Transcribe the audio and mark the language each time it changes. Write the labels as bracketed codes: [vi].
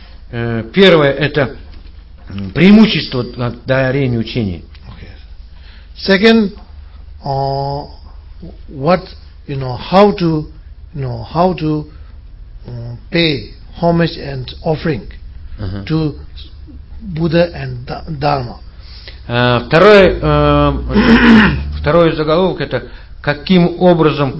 [ru] Первое это преимущество дарения учения. [en] Okay. Second, what you know, how to pay homage and offering to Будда and Dharma. [ru] Второй заголовок это каким образом